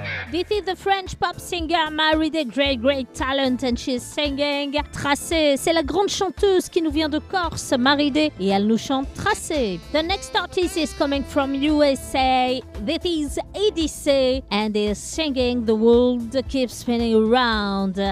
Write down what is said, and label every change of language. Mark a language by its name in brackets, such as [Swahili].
[English] This is the French pop singer Marie de Great Great Talent and she's singing Tracé. [French] C'est la grande chanteuse qui nous vient de Corse, Marie de, et elle nous chante Tracé. [English] The next artist is coming from USA. This is ADC and is singing The World Keeps Spinning Around.